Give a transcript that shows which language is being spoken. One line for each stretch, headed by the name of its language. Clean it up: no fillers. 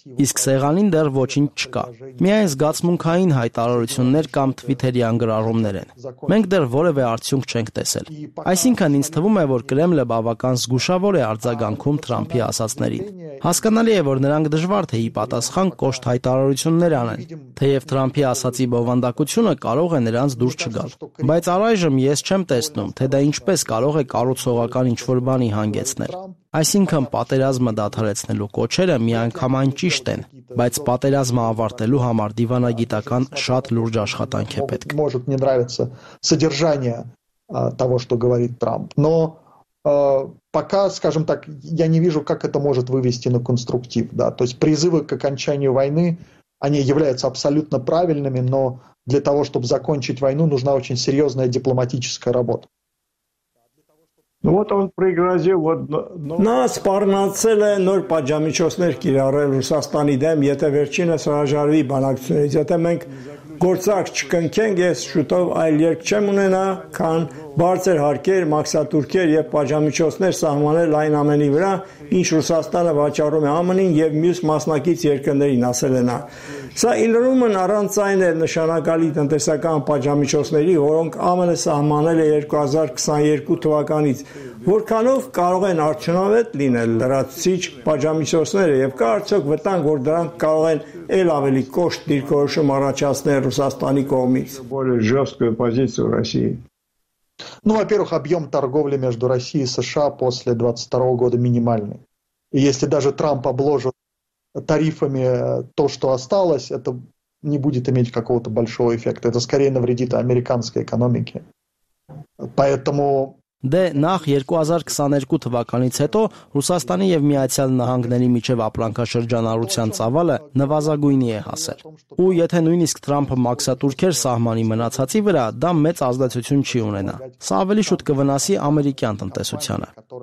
Armenian: Իսկ սեղանին դեռ ոչինչ չկա։ Միայն զգացմունքային հայտարարություններ կամ Twitter-յան գրառումներ են։ Մենք դեռ որևէ արդյունք չենք տեսել։ Այսինքն ինձ թվում է, որ Կրեմլը բավական զգուշավոր է արձագանքում Թրամփի ասացներին։ Հասկանալի է, որ նրանք դժվար թե ի պատասխան կոշտ հայտարարություններ անեն, թեև Թրամփի ասացի բովանդակությունը կարող է նրանց դուր չգալ։ Բայց առայժմ ես չեմ տեսնում, թե դա ինչպես կարող է կառուցողական ինչ-որ բանի հանգեցնել։ Այսինքն պատերազմը դադարեցնելու կոչերը միանգամայն ճիշտ են, բայց պատերազմը ավարտելու համար դիվանագիտական շատ լուրջ աշխատանք է պետք։
Russian: Может не нравится содержание того, что говорит Трамп, но пока, скажем так, я не вижу, как это может вывести на конструктив, да, то есть призывы к окончанию войны, они являются абсолютно правильными, но для того, чтобы закончить войну, нужна очень серьезная дипломатическая работа. Ну вот он пригрозил, вот...
Armenian: Нас парнацел է նոր պատժամիջոցներ կիրառել Ռուսաստանի դեմ, եթե վերջինս հրաժարվի բանակցությունից, եթե մենք գործակ չկնքենք, ես շուտով այլ երկ չեմ ունենա, քան բարձր հարկեր, մաքսատուրքեր եւ պաշտամիջոցներ սահմանել այն ամենի վրա, ինչ Ռուսաստանը վաճառում է ԱՄՆ-ին եւ մյուս մասնակից երկրներին, ասել է նա։ Սա իլրումն առանց այն է նշանակալի տնտեսական պաշտամիջոցների, որոնք ԱՄՆ-ը սահմանել է 2022 թվականից, որքանով կարող են արդյունավետ լինել լրացուցիչ պաշտամիջոցները եւ կա արդյոք վտանգ, որ դրանք կարող են այլ ավելի կոշտ դիրքորոշում առաջացնել Ռուսաստանի կողմից։
Russian: Ну, во-первых, объем торговли между Россией и США после 2022 года минимальный. И если даже Трамп обложит тарифами то, что осталось, это не будет иметь какого-то большого эффекта. Это скорее навредит американской экономике. Поэтому...
Armenian: Դե նախ 2022 թվականից հետո Ռուսաստանի եւ Միացյալ Նահանգների միջև ապրանքաշրջանառության ծավալը նվազագույնի է հասել։ Ու եթե նույնիսկ Թրամփը մաքսատուրքեր սահմանի մնացածի վրա, դա մեծ ազդեցություն չի ունենա։ Սա ավելի շուտ կվնասի ամերիկյան տնտեսությանը։